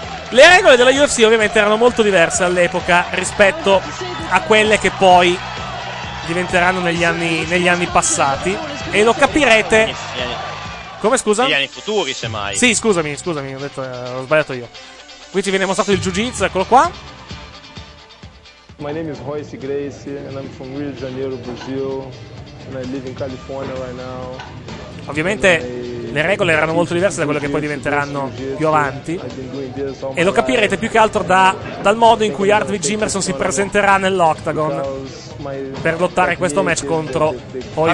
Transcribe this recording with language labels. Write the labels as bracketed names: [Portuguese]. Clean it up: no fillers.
[Italian] Le regole della UFC ovviamente erano molto diverse all'epoca rispetto a quelle che poi diventeranno negli anni passati. E lo capirete. Come, scusa? Negli anni futuri, semmai. Sì, scusami, ho sbagliato io. Qui ci viene mostrato il jiu-jitsu, eccolo qua. [English] My name is Royce Gracie and I'm from Rio de Janeiro, Brazil. And I live in California right now. [Italian] Ovviamente le regole erano molto diverse da quelle che poi diventeranno più avanti, e lo capirete più che altro dal modo in cui Art Jimmerson si presenterà nell'Octagon per lottare questo match contro Royce Gracie.